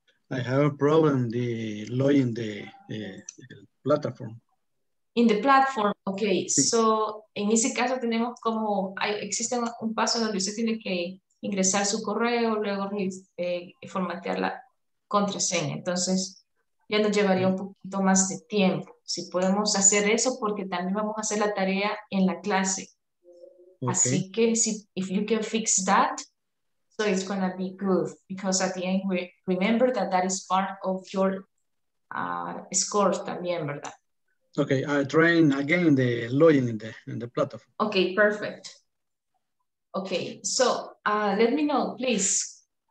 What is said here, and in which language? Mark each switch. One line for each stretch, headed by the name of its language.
English: I have a problem the login the platform. In the platform, okay. Sí.
Spanish: So, en ese caso tenemos como, existe un paso donde usted tiene que ingresar su correo, luego formatear la contraseña. Entonces, ya nos llevaría un poquito más de tiempo. Si podemos hacer eso, porque también vamos a hacer la tarea en la clase. Así que si,
English: if you can fix that, so it's going to be good. Because at the end, we remember that that is part of your score
Spanish: también, ¿verdad?
English: Okay, I train again the login in the platform. Okay, perfect. Okay, so let me know, please.